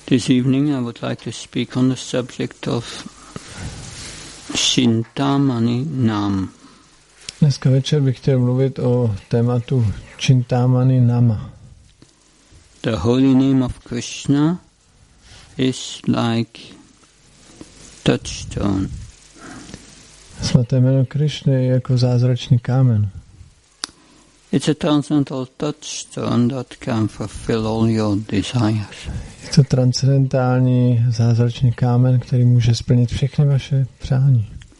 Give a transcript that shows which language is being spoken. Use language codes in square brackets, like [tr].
[en] This evening I would like to speak on the subject of Chintamani Nam. [cs] Dneska večer bych chtěl mluvit o tématu Chintamani Nama. [en] The holy name of Krishna is like touchstone. [cs] Svaté jméno Krishna je jako zázračný kámen. [en] It's a transcendental touchstone that can fulfill all your desires. [cs] Je to transcendentální zázračný kámen, který může splnit všechny vaše přání.